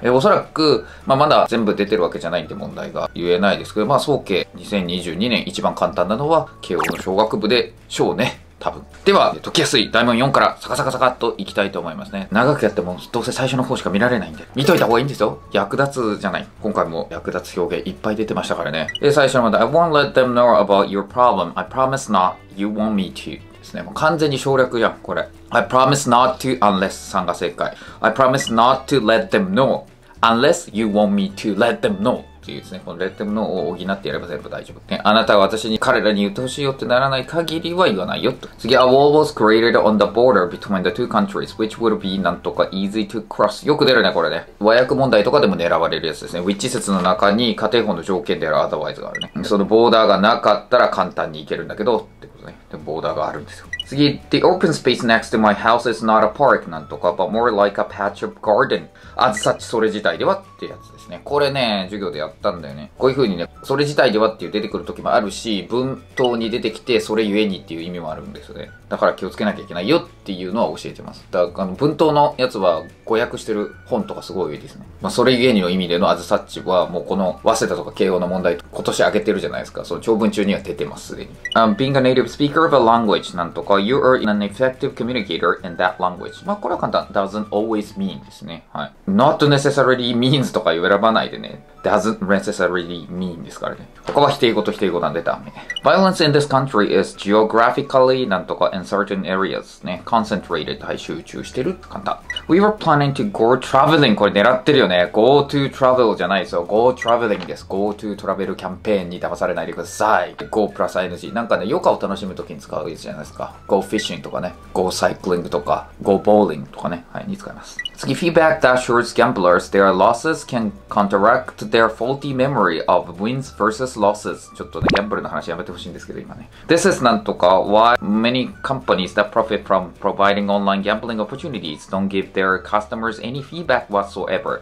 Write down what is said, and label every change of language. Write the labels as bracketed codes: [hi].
[ja] おそらく、まあ、まだ全部出てるわけじゃないんで問題が言えないですけど、まあ総計2022年一番簡単なのは慶応の商学部でしょうね、多分。では解きやすい大問4からサカサカサカっといきたいと思いますね。長くやってもどうせ最初の方しか見られないんで見といた方がいいんですよ。役立つじゃない、今回も役立つ表現いっぱい出てましたからね。で、最初の問題、 [en] I won't let them know about your problem. I promise not you want me to [ja] ですね。もう完全に省略やんこれ。 [en] I promise not to unless [ja] さんが正解。 [en] I promise not to let them knowUnless you want me to let them know [ja] っていうですね、この [en] let them know [ja] を補ってやれば全部大丈夫、ね、あなたは私に彼らに言ってほしいよってならない限りは言わないよと。次、 [en] A wall was created on the border between the two countries which would be [ja] なんとか [en] easy to cross。 [ja] よく出るねこれね、和訳問題とかでも狙われるやつですね。which 説の中に仮定法の条件であるアドバイスがあるね。そのボーダーがなかったら簡単に行けるんだけどってことね。でもボーダーがあるんですよ。次、 [en] The open space next to my house is not a park [ja] なんとか [en] but more like a patch of garden as such [ja] それ自体ではってやつですね。これね、授業でやったんだよね。こういう風にね、それ自体ではっていう出てくる時もあるし、文頭に出てきてそれゆえにっていう意味もあるんですよね。だから気をつけなきゃいけないよっていうのは教えてます。だから文頭のやつは誤訳してる本とかすごい多いですね。まあ、それゆえにの意味でのアズサッチはもうこの早稲田とか慶応の問題今年上げてるじゃないですか。その長文中には出てます、すでに。 [en] Being a native speaker of a language [ja] なんとか [en] You are an effective communicator in that language。 [ja] まあこれは簡単、 [en] Doesn't always mean [ja] ですね、はい、 [en] Not necessarily means [ja] とか選ばないでね、 [en] doesn't necessarily mean [ja] ですからね。他は否定語と否定語なんでダメ。 [en] Violence in this country is geographically [ja] なんとか [en] in certain areas ね、concentrated、 [ja] はい、集中してる、簡単。 [en] We were planning to go traveling、 [ja] これ狙ってるよね。 [en] Go to travel [ja] じゃないですよ、 [en] Go traveling です。 Go to travel [ja] キャンペーンに騙されないでください。 [en] Go plus ing [ja] なんかね、余暇を楽しむときに使うやつじゃないですか。 [en] Go fishing [ja] とかね、 [en] Go cycling [ja] とか、 [en] Go bowling [ja] とかね、はい、に使います。 [en] 次、 feedback that assures gamblers their losses can counteract their faulty memory of wins versus losses。 [ja] ちょっとね、ギャンブルの話やめてほしいんですけど今ね。 [en] This is [ja] なんとか [en] why many companies that profit from providing online gambling opportunities don't give their customers any feedback whatsoever。